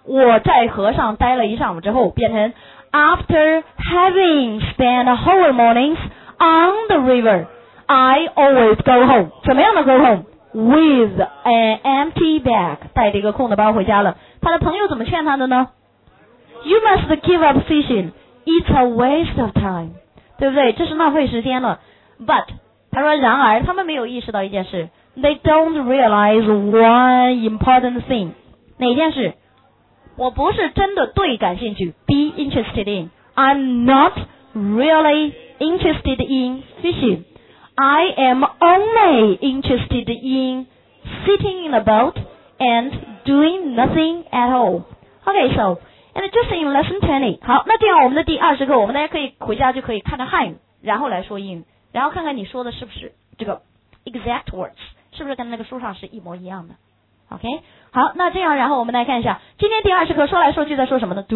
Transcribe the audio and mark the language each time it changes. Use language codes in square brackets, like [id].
[zh] 我在河上待了一上午之后，变成 [en] after having spent whole mornings on the river I always go home， [zh] 怎么样的 [en] go home？ With an empty bag， [zh] 带着一个空的包回家了。他的朋友怎么劝他的呢？ [en] You must give up fishing， it's a waste of time， [zh] 对不对？这是浪费时间了。But 他说然而他们没有意识到一件事， [en] They don't realize one important thing， [zh] 哪件事？我不是真的对感兴趣， [en] be interested in， I'm not really interested in fishingI am only interested in sitting in a boat and doing nothing at all. Okay, so, and just in lesson 20. [zh] 好，那这样我们的第二十课，我们大家可以回家就可以看看汉语，然后来说英语，然后看看你说的是不是这个 exact words， 是不是跟那个书上是一模一样的。 Okay, 好，那这样然后我们来看一下，今天第二十课说来说去在说什么呢？